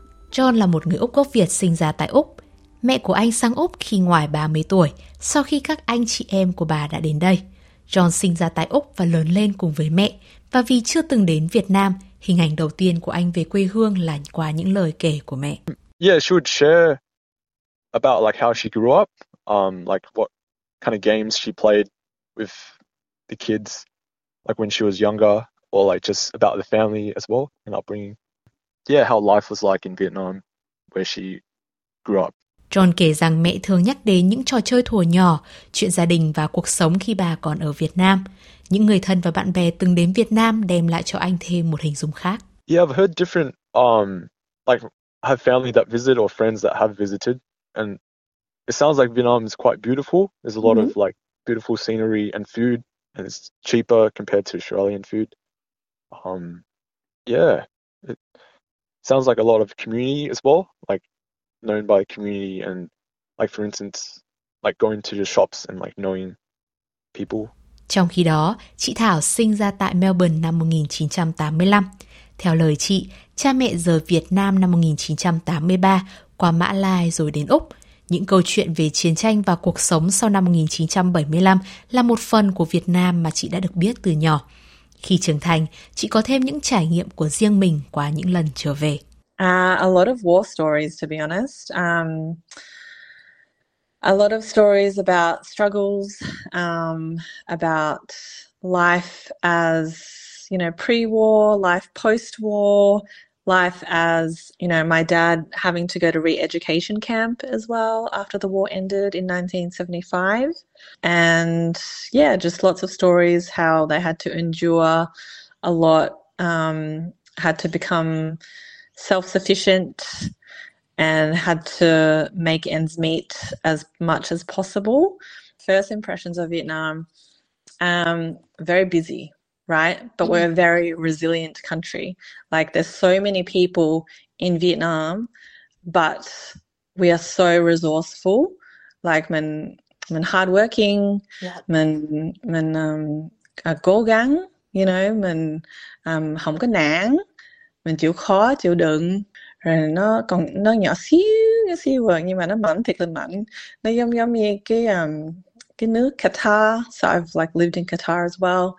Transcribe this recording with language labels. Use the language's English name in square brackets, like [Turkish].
[Vietnamese] John là một người Úc gốc Việt sinh ra tại Úc. Mẹ của anh sang Úc khi ngoài 30 tuổi, sau khi các anh chị em của bà đã đến đây. John sinh ra tại Úc và lớn lên cùng với mẹ. Và vì chưa từng đến Việt Nam, hình ảnh đầu tiên của anh về quê hương là qua những lời kể của mẹ. [English] Yeah, she would share about like how she grew up, like what kind of games she played with the kids, like when she was younger, or like just about the family as well and upbringing. Yeah, how life was like in Vietnam, where she grew up. [Vietnamese] John kể rằng mẹ thường nhắc đến những trò chơi thuở nhỏ, chuyện gia đình và cuộc sống khi bà còn ở Việt Nam. Những người thân và bạn bè từng đến Việt Nam đem lại cho anh thêm một hình dung khác. Yeah, I've heard different, like have family that visit or friends that have visited, and it sounds like Vietnam is quite beautiful. There's a lot of like beautiful scenery and food, and it's cheaper compared to Australian food. Yeah. Sounds like a lot of community as well, like known by the community and like for instance, like going to the shops and like knowing people. Trong khi đó, chị Thảo sinh ra tại Melbourne năm 1985. Theo lời chị, cha mẹ rời Việt Nam năm 1983 qua Mã Lai rồi đến Úc. Những câu chuyện về chiến tranh và cuộc sống sau năm 1975 là một phần của Việt Nam mà chị đã được biết từ nhỏ. Khi trưởng thành, chị có thêm những trải nghiệm của riêng mình qua những lần trở về. [English] A lot of war stories, to be honest. A lot of stories about struggles, about life as, you know, pre-war, life post-war, life as, you know, my dad having to go to re-education camp as well after the war ended in 1975. And yeah, just lots of stories how they had to endure a lot, had to become self-sufficient and had to make ends meet as much as possible. First impressions of Vietnam, very busy. Right, but we're a very resilient country. Like there's so many people in Vietnam, but we are so resourceful. Like mình hardworking, yeah. [Vietnamese] mình cố gắng, [English] you know, [Vietnamese] mình không có nản, mình chịu khó chịu đựng, rồi nó nhỏ xíu rồi nhưng mà nó mạnh thiệt là mạnh. Nó giống như cái nước Qatar, [English] so I've like lived in Qatar as well.